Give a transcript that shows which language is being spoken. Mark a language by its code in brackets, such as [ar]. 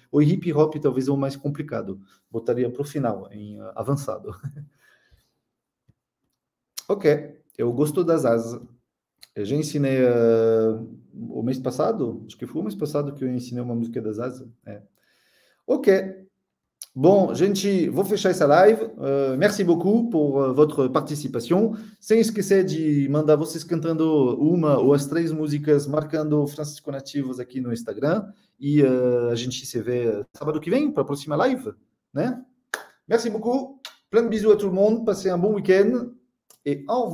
[pt] O hip hop talvez é o mais complicado. Botaria para o final, em avançado. Ok, eu gosto das asas. Eu já ensinei o mês passado, acho que foi o mês passado que eu ensinei uma música das asas. É. Ok. Bom, gente, vou fechar essa live. [fr] Merci beaucoup pour votre participation. [pt] Sem esquecer de mandar vocês cantando uma ou as três músicas, marcando Francisco Nativos aqui no Instagram. E a gente se vê sábado que vem, para a próxima live. [fr] Né? Merci beaucoup. Plein de bisous à tout le monde. Passez un bon week-end. Et au revoir.